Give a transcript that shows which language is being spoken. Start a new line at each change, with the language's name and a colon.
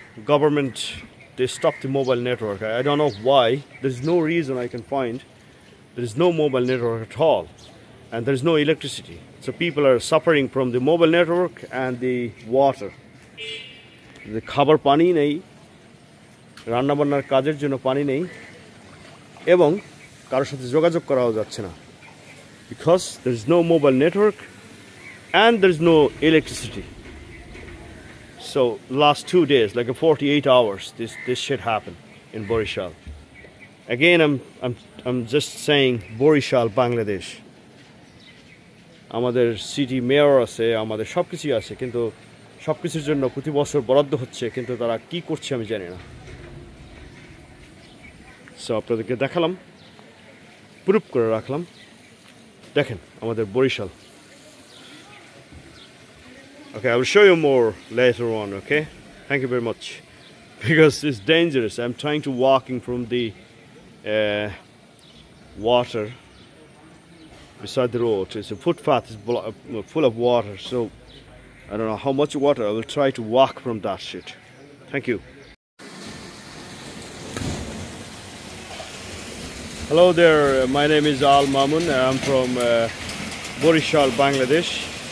English: Government they stop the mobile network. I don't know why, there is no reason I can find, there is no mobile network at all and there is no electricity. So people are suffering from the mobile network and the water.
Bangla: দি খাবার পানি নেই, রান্নাবান্নার কাজের জন্য পানি নেই, এবং কারোর সাথে যোগাযোগ করাও যাচ্ছে না।
English: Because there is no mobile network and there is no electricity. So last 2 days, like 48 hours, this shit happened in Borishal. Again, I'm just saying Borishal, Bangladesh.
Bangla: Amader city mayor ase, amader shob kichu ase, kintu সব কিছুর জন্য প্রতি বছর বরাদ্দ হচ্ছে কিন্তু তারা কি করছে আমি জানি না। সো আপনাদেরকে দেখালাম, প্রুফ করে রাখলাম, দেখেন আমাদের বরিশাল।
English: Okay, I will show you more later on. Okay, thank you very much, because it's dangerous. I am trying to walking from the water beside the road. It's a footpath, it's full of water, so I don't know how much water. I will try to walk from that shit. Thank you. Hello there, my name is Al Mamun. I'm from Borishal, Bangladesh.